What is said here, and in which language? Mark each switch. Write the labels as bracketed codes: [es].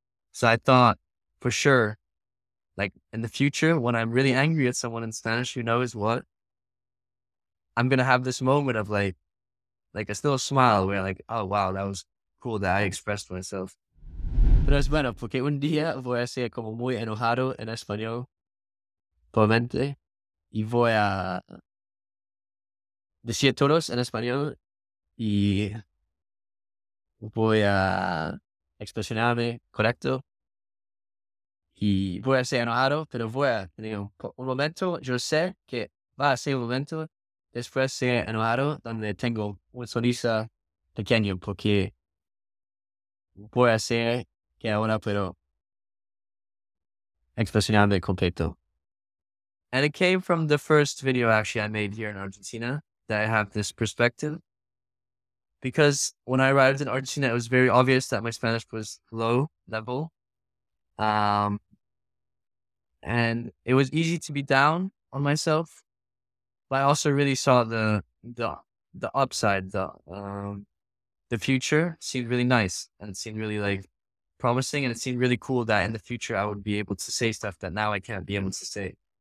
[en] So I thought for sure, like, in the future, when I'm really angry at someone in Spanish, who knows what, I'm going to have this moment of like a little smile where like, oh, wow, that was cool that I expressed myself. [es] Pero es bueno, porque un día voy a ser como muy enojado en español, probablemente, y voy a decir todos en español y voy a expresarme correcto y voy a ser enojado, pero voy a tener un momento, yo sé que va a ser un momento después de enojado, donde tengo una sonrisa pequeña, porque voy a hacer que ahora puedo expresarme completo. [en] And it came from the first video actually I made here in Argentina that I have this perspective. Because when I arrived in Argentina, it was very obvious that my Spanish was low level. And it was easy to be down on myself. But I also really saw the upside, the future seemed really nice and it seemed really like promising and it seemed really cool that in the future I would be able to say stuff that now I can't be able to say.